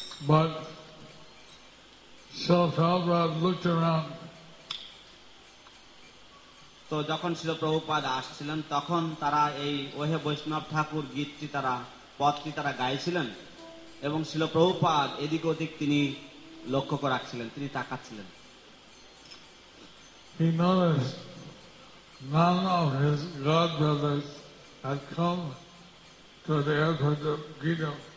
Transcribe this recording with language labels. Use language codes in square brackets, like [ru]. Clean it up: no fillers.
[en] But so Prabhupada looked around. [bn] তো যখন শ্রীল প্রভুপাদ আসছিলেন তখন তারা এই ওহে বৈষ্ণব ঠাকুর গীতটি তারা পদটি তারা গাইছিলেন এবং শ্রীল প্রভুপাদ এদিক ওদিক তিনি লক্ষ্য করে রাখছিলেন, তিনি তাকাচ্ছিলেন। [en] He noticed none of his god brothers had come to the airport of Gita.